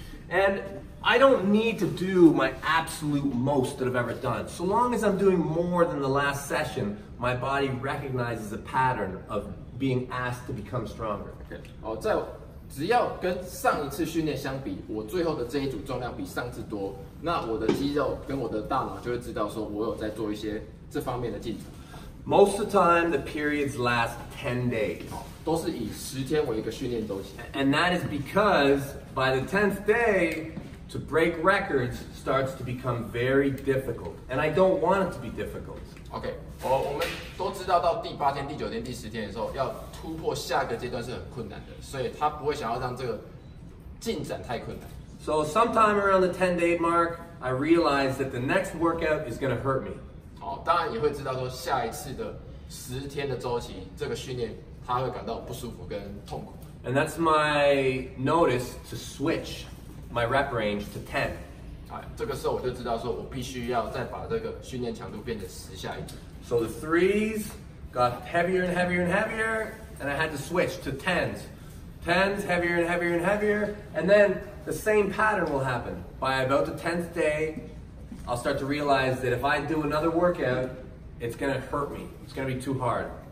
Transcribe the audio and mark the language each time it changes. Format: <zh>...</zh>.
<en>And I don't need to do my absolute most that I've ever done. So long as I'm doing more than the last session, my body recognizes a pattern of being asked to become stronger. Okay.</en> <zh>在只要跟上一次训练相比，我最后的这一组重量比上次多，那我的肌肉跟我的大脑就会知道说我有在做一些这方面的进展。</zh> <en>Most of the time, the periods last 10 days.</en> <zh>都是以十天为一个训练周期。</zh> <en>And that is because by the 10th day, to break records starts to become very difficult. And I don't want it to be difficult.</en> <zh>Okay, 我们都知道到第八天、第九天、第十天的时候，要突破下一个阶段是很困难的，所以他不会想要让这个进展太困难。</zh> <en>So sometime around the 10 day mark, I realized that the next workout is going to hurt me.</en> <zh>当然也会知道说下一次的十天的周期，这个训练他会感到不舒服跟痛苦。</zh> <en>And that's my notice to switch my rep range to 10.</en> <zh>这个时候我就知道说我必须要再把这个训练强度变成十下一组。</zh> <en>So the threes got heavier and heavier and heavier, and I had to switch to tens. Tens heavier and heavier and heavier, and then the same pattern will happen. By about the 10th day,I'll start to realize that if I do another workout, it's gonna hurt me. It's gonna be too hard.</en>